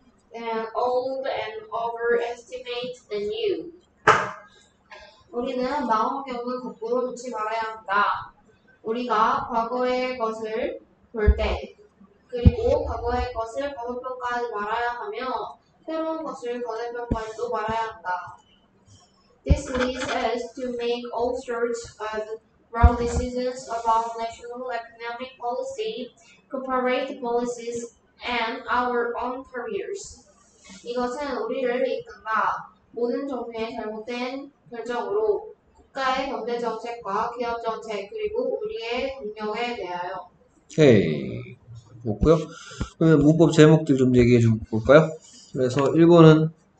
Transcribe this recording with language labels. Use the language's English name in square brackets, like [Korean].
[English] And old and overestimate the new. [Korean] 우리는 마음의 경우를 거꾸로 놓지 말아야 한다. 우리가 과거의 것을 볼 때, 그리고 과거의 것을 과소평가하지 말아야 하며, 새로운 것을 과대평가하지도 말아야 한다. [English] This leads us to make all sorts of wrong decisions about national economic policy, corporate policies, and our own careers. [Korean] 이것은 우리를 이끈다. 모든 종류의 잘못된 결정으로 국가의 경제 정책과 기업 정책, 그리고 우리의 운명에 대하여. 오케이. 뭐고요? 그러면 문법 제목들 좀 얘기해 좀 볼까요? 그래서 1번은